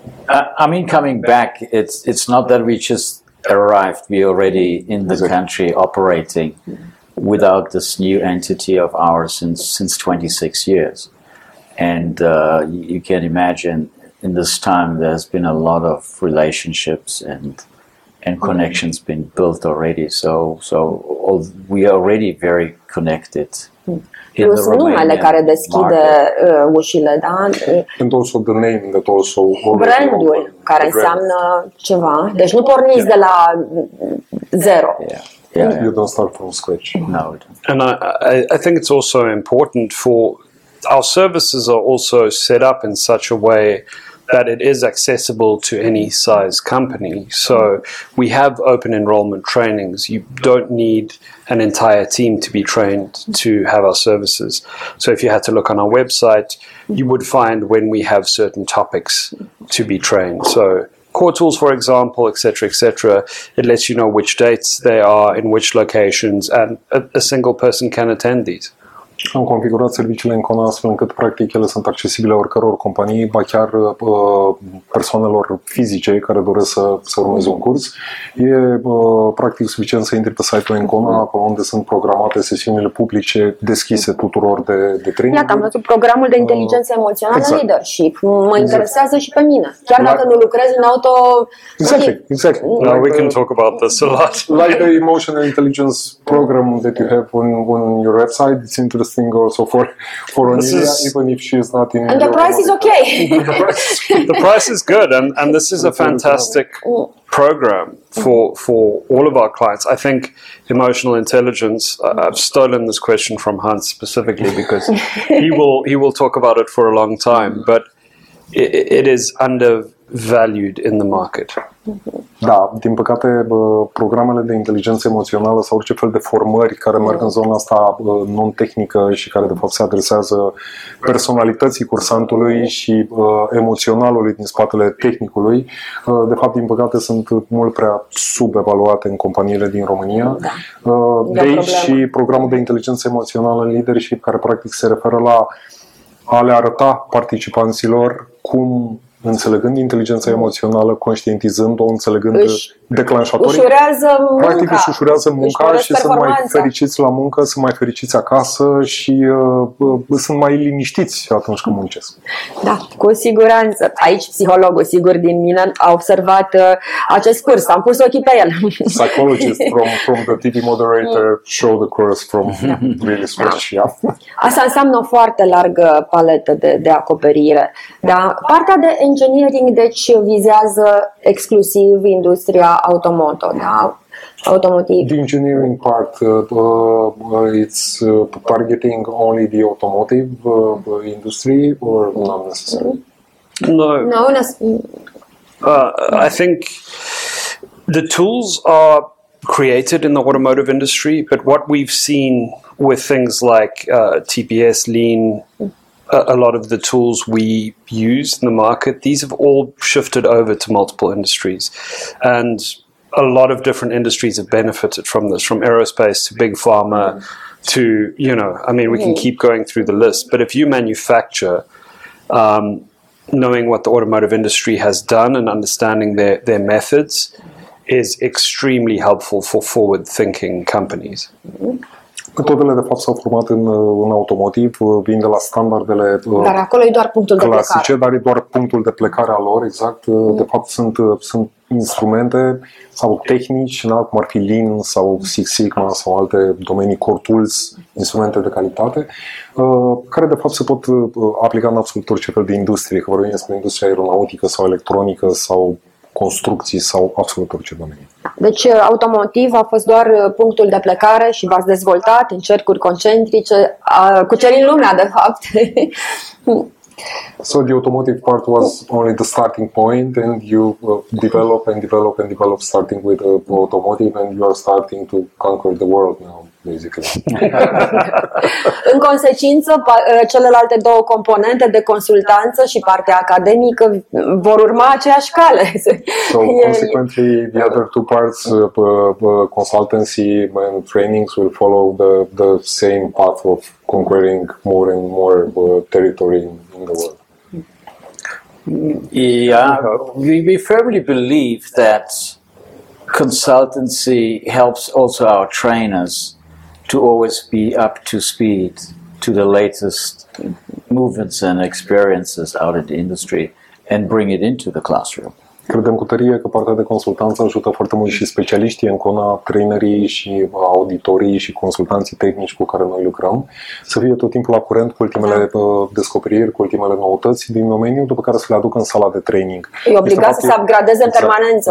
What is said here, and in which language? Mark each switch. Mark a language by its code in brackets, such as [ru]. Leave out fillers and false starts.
[en] I mean, coming back, it's not that we just arrived, we're already in the country operating without this new entity of ours since 26 years. And you can imagine in this time there's been a lot of relationships and connections been built already. So we are already very connected in [ro] plus numele care deschide ușile, da? [en] And also the name that also [ro] brandul care înseamnă ceva. Deci nu porniți de la zero. [en] Yeah. You don't start from scratch. No. And I think it's also important for our services are also set up in such a way that it is accessible to any size company. So we have open enrollment trainings. You don't need an entire team to be trained to have our services. So if you had to look on our website, you would find when we have certain topics to be trained. So core tools, for example, et cetera, et cetera. It lets you know which dates they are, in which locations, and a single person can attend these. [ro] Am configurat serviciile în Kona astfel încât practic ele sunt accesibile oricăror companii, ba chiar persoanelor fizice care doresc să urmeze un curs. E practic suficient să intri pe site-ul în Kona, acolo unde sunt programate sesiunile publice deschise tuturor de training. Iată, am văzut programul de inteligență emoțională exact. Leadership. Mă interesează exact. Și pe mine. Chiar dacă nu lucrez în auto... Exact. [en] Now we can talk about this a lot. Like the emotional intelligence program that you have on your website, it's interesting. This thing also for Anita, even if she is not in. And the price is okay. the price is good, and this is a fantastic program for all of our clients. I think emotional intelligence. I've stolen this question from Hans specifically because he will talk about it for a long time, but it is undervalued in the market. [ro] Da, din păcate, programele de inteligență emoțională sau orice fel de formări care merg în zona asta non-tehnică și care de fapt se adresează personalității cursantului și emoționalului din spatele tehnicului, de fapt, din păcate, sunt mult prea subevaluate în companiile din România. Da. De aici și programul de inteligență emoțională în leadership, care practic se referă la a le arăta participanților cum... Înțelegând inteligența emoțională, conștientizând-o, înțelegând declanșatorii, ușurează munca. Practic își ușurează munca și sunt mai fericiți la muncă, sunt mai fericiți acasă și sunt mai liniștiți atunci când muncesc. Da, cu siguranță. Aici psihologul, sigur, din mine a observat acest curs. Am pus ochii pe el. [en] Psychologist from the TV moderator show the course from really scratch. Yeah. [ro] Asta înseamnă o foarte largă paletă de acoperire. Da? Partea de engineering, deci, vizează exclusiv industria automotive. [en] The engineering part, it's targeting only the automotive industry or not necessarily? No. I think the tools are created in the automotive industry, but what we've seen with things like TPS, Lean, a lot of the tools we use in the market, these have all shifted over to multiple industries. And a lot of different industries have benefited from this, from aerospace to big pharma to, you know, I mean, we can keep going through the list. But if you manufacture, knowing what the automotive industry has done and understanding their methods is extremely helpful for forward-thinking companies. [ro] Totele, de fapt, s-au format în automotiv, vin de la standardele dar acolo e doar punctul clasice, de plecare. Dar e doar punctul de plecare al lor, exact. De fapt, sunt instrumente sau tehnici, da, cum ar fi Lean sau Six Sigma sau alte domenii, core tools, instrumente de calitate, care, de fapt, se pot aplica în absolut orice fel de industrie, că vorbim despre industria aeronautică sau electronică sau construcții sau absolut orice domeniu. Deci automotive a fost doar punctul de plecare și v-ați dezvoltat în cercuri concentrice, cucerind lumea, de fapt. [en] So the automotive part was only the starting point and you develop and develop and develop starting with automotive and you are starting to conquer the world now, basically. [ro] În consecință, celelalte două componente de consultanță și partea academică vor urma aceeași cale. [en] So consequently, the other two parts, consultancy and trainings will follow the same path of conquering more and more territory in the world. Yeah, we firmly believe that consultancy helps also our trainers to always be up to speed to the latest movements and experiences out in the industry and bring it into the classroom. [ro] Credem cu tărie că partea de consultanță ajută foarte mult și specialiștii în Kona, trainerii și auditorii și consultanții tehnici cu care noi lucrăm, să fie tot timpul la curent cu ultimele descoperiri, cu ultimele noutăți din domeniu, după care să le aducă în sala de training. E obligat să se upgradeze în permanență.